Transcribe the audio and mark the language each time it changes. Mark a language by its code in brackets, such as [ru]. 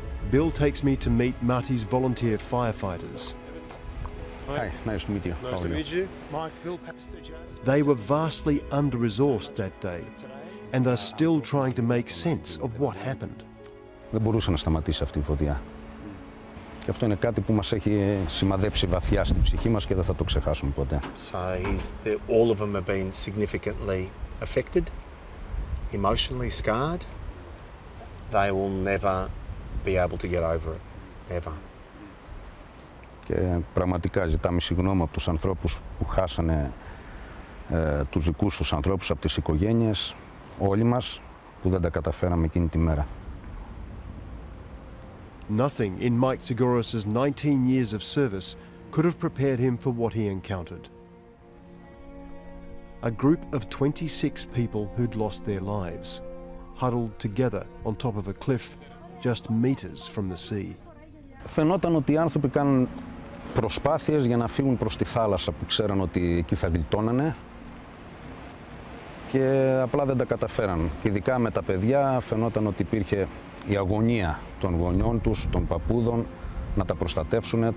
[en] Bill takes me to meet Marty's volunteer firefighters. Hi, nice to meet you. Nice to meet you. Mike, Bill Papastergiadis. They were vastly under-resourced that day and are still trying to make sense of what happened. [el] Δεν μπορούσε να σταματήσει αυτή η φωτιά. Και αυτό είναι κάτι που μας έχει σημαδέψει βαθιά στην ψυχή μας και δεν θα το ξεχάσουμε ποτέ. [en] All of them have been significantly affected, emotionally scarred. They will never be able to get over it, ever. [el] Και πραγματικά ζητάμε συγγνώμη από τους ανθρώπους που χάσανε τους δικούς τους ανθρώπους από τις οικογένειες, όλοι μας, που δεν τα καταφέραμε εκείνη τη μέρα. [en] Nothing in Mike Tsigouras's 19 years of service could have prepared him for what he encountered. A group of 26 people who'd lost their lives, huddled together on top of a cliff just meters from the sea. [el] Φαινόταν ότι οι άνθρωποι κάνουν προσπάθειες για να φύγουν προς τη θάλασσα που ξέραν ότι εκεί θα γλιτώνανε και απλά δεν τα καταφέραν. Και ειδικά με τα παιδιά φαινόταν ότι υπήρχε η αγωνία των γονιών τους, των παππούδων, να τα προστατεύσουν.